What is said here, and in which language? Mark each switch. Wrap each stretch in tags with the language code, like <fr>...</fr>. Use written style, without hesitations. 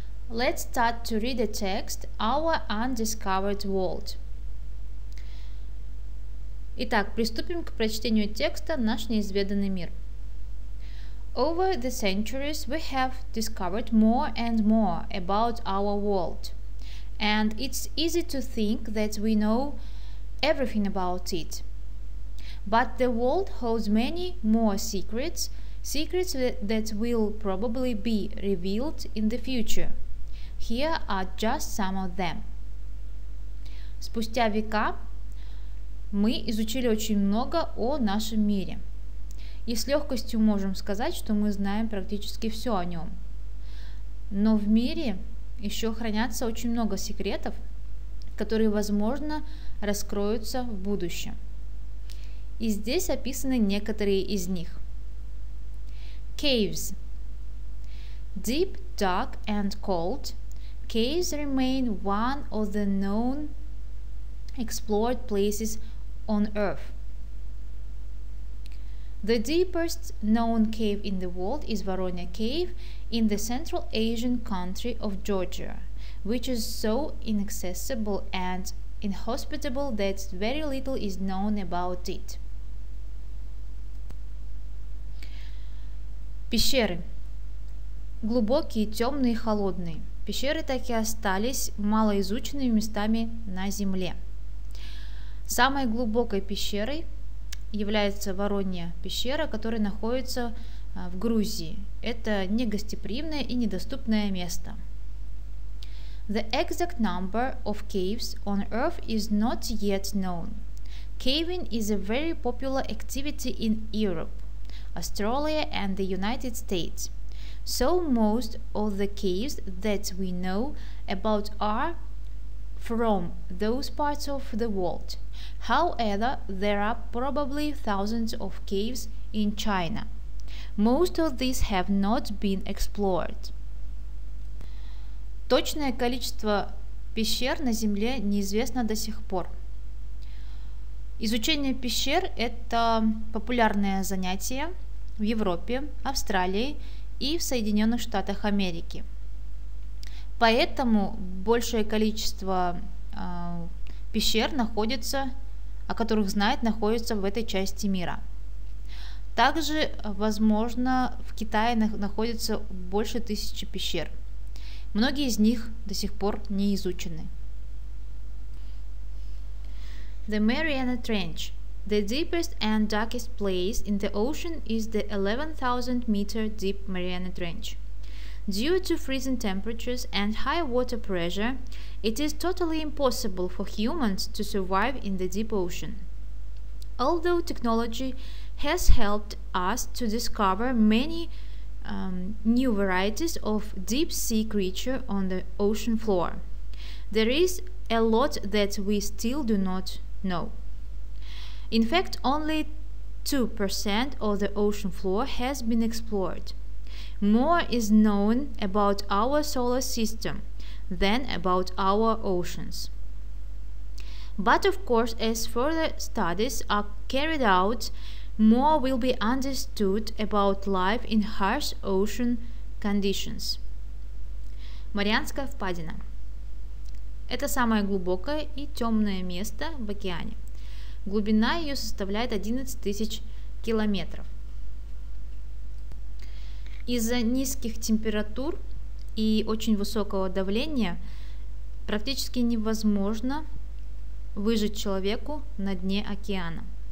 <en>Let's start to read the text Our Undiscovered World.</en> <ru>Итак, приступим к прочтению текста «Наш неизведанный мир».</ru> <en>Over the centuries, we have discovered more and more about our world, and it's easy to think that we know everything about it. But the world holds many more secrets, secrets that will probably be revealed in the future. Here are just some of them.</en> <ru>Спустя века мы изучили очень много о нашем мире. И с легкостью можем сказать, что мы знаем практически все о нем. Но в мире еще хранятся очень много секретов, которые, возможно, раскроются в будущем. И здесь описаны некоторые из них.</ru> <en>Caves. Deep, dark and cold, caves remain one of the known explored places on Earth. The deepest known cave in the world is Voronezh Cave in the Central Asian country of Georgia, which is so inaccessible and inhospitable that very little is known about it.</en> <ru>Пещеры. Глубокие, темные и холодные. Пещеры так и остались малоизученными местами на Земле. Самой глубокой пещерой является Воронья пещера, которая находится в Грузии. Это негостеприимное и недоступное место.</ru> <en>The exact number of caves on Earth is not yet known. Caving is a very popular activity in Europe, Australia and the United States. So most of the caves that we know about are from those parts of the world. However, there are probably thousands of caves in China. Most of these have not been explored.</en> <ru>Точное количество пещер на Земле неизвестно до сих пор. Изучение пещер – это популярное занятие в Европе, Австралии и в Соединенных Штатах Америки. Поэтому большее количество пещер находится, о которых знает, находится в этой части мира. Также, возможно, в Китае находится больше 1000 пещер. Многие из них до сих пор не изучены.</ru> <en>The Mariana Trench. The deepest and darkest place in the ocean is the 11,000 meter deep Mariana Trench. Due to freezing temperatures and high water pressure, it is totally impossible for humans to survive in the deep ocean. Although technology has helped us to discover many new varieties of deep sea creature on the ocean floor, there is a lot that we still do not know. In fact, only 2% of the ocean floor has been explored. More is known about our solar system than about our oceans. But of course, as further studies are carried out, more will be understood about life in harsh ocean conditions.</en> <ru>Марианская впадина. Это самое глубокое и темное место в океане. Глубина ее составляет 11 тысяч километров. Из-за низких температур и очень высокого давления практически невозможно выжить человеку на дне океана.</ru>